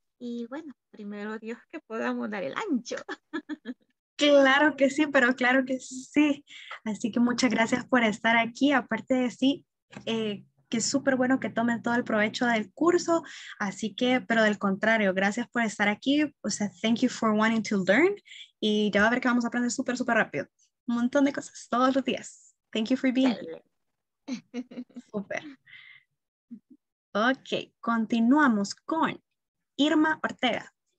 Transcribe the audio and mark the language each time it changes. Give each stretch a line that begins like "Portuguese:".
Spanish: Y bueno, primero Dios que podamos dar el ancho. Claro que sí, pero claro que sí. Así que muchas gracias por estar aquí. Aparte de sí, que es súper bueno que tomen todo el provecho del curso. Así que, pero del contrario, gracias por estar aquí. O sea,
English: thank you for wanting to learn.
Spanish: Y ya va a ver que vamos a aprender súper, súper rápido. Un montón de cosas todos los días.
English: Thank you for being here.
Spanish: Súper. Ok, continuamos con Irma Ortega.